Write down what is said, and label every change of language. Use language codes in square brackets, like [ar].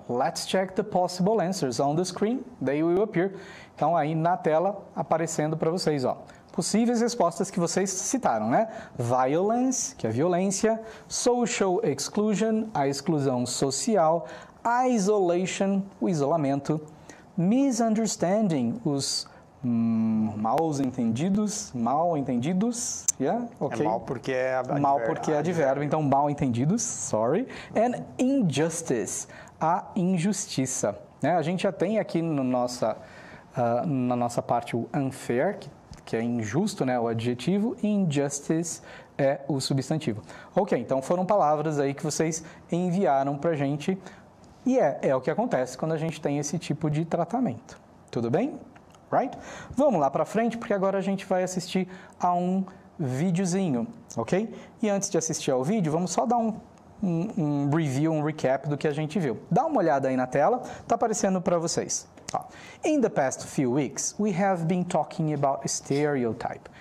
[en] Let's check the possible answers on the screen. They will appear. [pt] Então, aí na tela, aparecendo para vocês, ó. Possíveis respostas que vocês citaram, né? Violence, que é violência. Social exclusion, a exclusão social. Isolation, o isolamento. Misunderstanding, os maus entendidos. Mal entendidos, yeah? Okay. É mal porque é advérbio. Mal porque é advérbio, então mal entendidos, sorry. And injustice, a injustiça. Né? A gente já tem aqui na nossa parte o unfair, que é injusto, né, o adjetivo, e injustice é o substantivo. Ok, então foram palavras aí que vocês enviaram para a gente, e é o que acontece quando a gente tem esse tipo de tratamento. Tudo bem? Right? Vamos lá para frente, porque agora a gente vai assistir a um videozinho, ok? E antes de assistir ao vídeo, vamos só dar um review, um recap do que a gente viu. Dá uma olhada aí na tela, está aparecendo para vocês. [en] In the past few weeks, we have been talking about stereotype.